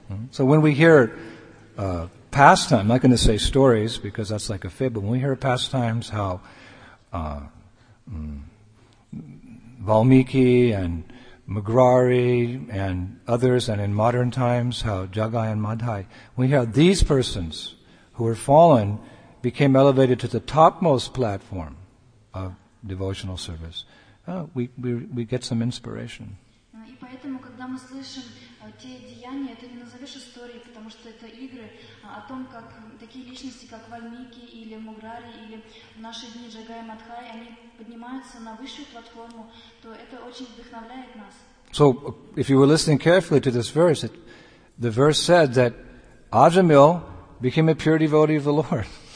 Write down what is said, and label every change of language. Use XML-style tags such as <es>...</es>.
<en>So when we hear pastime. I'm not going to say stories because that's like a fib, but when we hear pastimes, how Valmiki and Magrari and others, and in modern times, how Jagai and Madhai, we have these persons who were fallen, became elevated to the topmost platform of devotional service. We get some inspiration.</en> <ru>И поэтому, когда мы слышим те деяния, это не назовешь историей, потому что это игры о том, как такие личности, как Вальмики или Мурари, или в наши дни Джагай и Мадхай, они поднимаются на высшую платформу, то это очень вдохновляет нас.</ru> <en>So, if you were listening carefully to this verse, the verse said that Ajamil became a pure devotee of the Lord.</en>